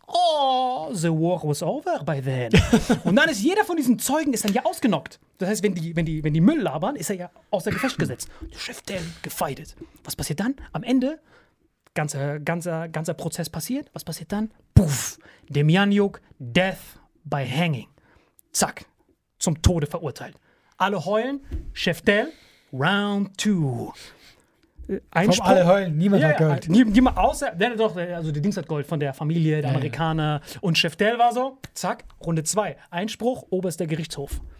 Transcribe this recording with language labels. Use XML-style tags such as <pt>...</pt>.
<en>Oh, the war was over by then.</en> <de>Und dann ist jeder von diesen Zeugen ist dann ja ausgenockt. Das heißt, wenn die Müll labern, ist er ja außer Gefecht gesetzt. Chef Tell gefeidet. Was passiert dann? Am Ende ganzer Prozess passiert. Was passiert dann? Puff, Demjanjuk,</de> <en>Death by Hanging.</en> <de>Zack, zum Tode verurteilt. Alle heulen, Chef Dell, Round 2. Komm, alle heulen, niemand hat Gold. Niemand außer, der Dings hat Gold von der Familie, der Amerikaner. Und Chef Dell war so, zack, Runde 2. Einspruch, oberster Gerichtshof.</de>